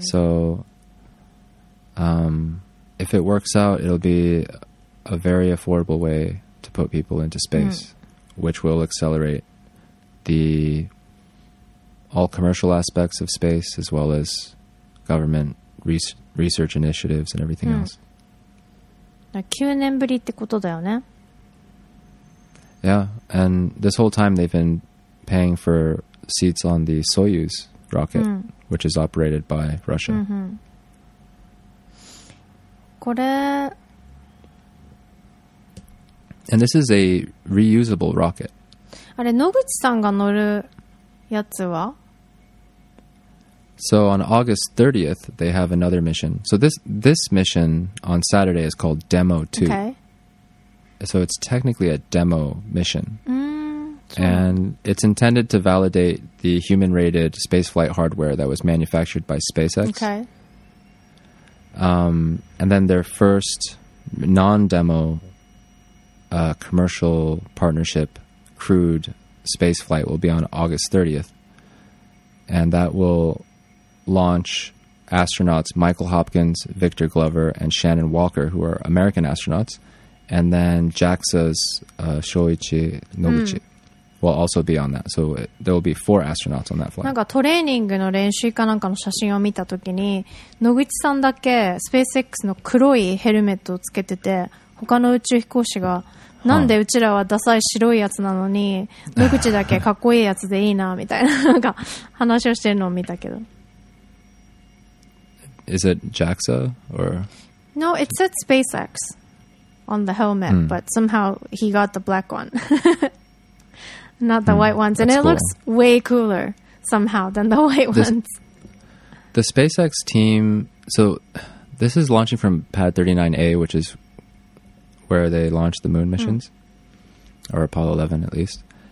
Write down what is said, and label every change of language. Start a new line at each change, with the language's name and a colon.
English: So, if it works out, it'll be a very affordable wayTo put people into space, which will accelerate the all commercial aspects of space as well as government research initiatives and everything else.
Japanese: 9年ぶりってことだよね。
English: Yeah, and this whole time they've been paying for seats on the Soyuz rocket, which is operated by Russia.
Japanese: これ
English: And this is a reusable rocket.
Japanese: あれ、野口さんが乗るやつは?
English: So on August 30th, they have another mission. So this mission on Saturday is called Demo 2. Okay. So it's technically a demo mission. And it's intended to validate the human-rated spaceflight hardware that was manufactured by SpaceX. Okay. And then their first non-demo... A commercial partnership crewed space flight will be on August 30th. And that will launch astronauts Michael Hopkins, Victor Glover, and Shannon Walker, who are American astronauts. And then JAXA's Shoichi Noguchi will also be on that. So there will be four astronauts on that flight.
Japanese: なんかトレーニングの練習かなんかの写真を見たときに、野口さんだけ SpaceX の黒いヘルメットをつけてて、他の宇宙飛行士がなんでうちらはダサい白いやつなのに無口だけかっこいいやつでいいなみたいななんか話をしてるのを見たけど。
English: is it JAXA or? No, it said SpaceX on the helmet, but somehow he got the black one, not the white ones. And it looks way cooler somehow than the white ones. The SpaceX team, so this is launching from Pad 39A, which is where they launched the moon missions, or Apollo 11 at least.